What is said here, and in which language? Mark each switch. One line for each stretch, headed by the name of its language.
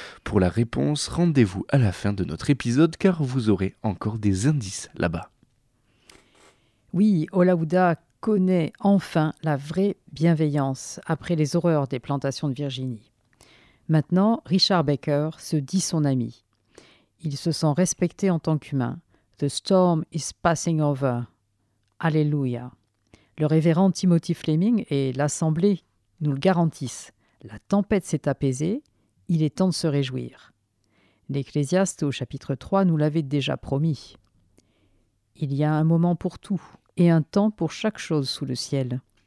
French: Pour la réponse, rendez-vous à la fin de notre épisode car vous aurez encore des indices là-bas. Oui, Olaouda connaît enfin la vraie bienveillance après les horreurs des plantations de Virginie. Maintenant, Richard Baker se dit son ami. Il se sent respecté en tant qu'humain.
English: The storm is passing over.
French: Alléluia. Le révérend Timothy Fleming et l'Assemblée nous le garantissent. La tempête s'est apaisée, il est temps de se réjouir. L'Ecclésiaste au chapitre 3 nous l'avait déjà promis. Il y a un moment pour tout et un temps pour chaque chose sous le ciel.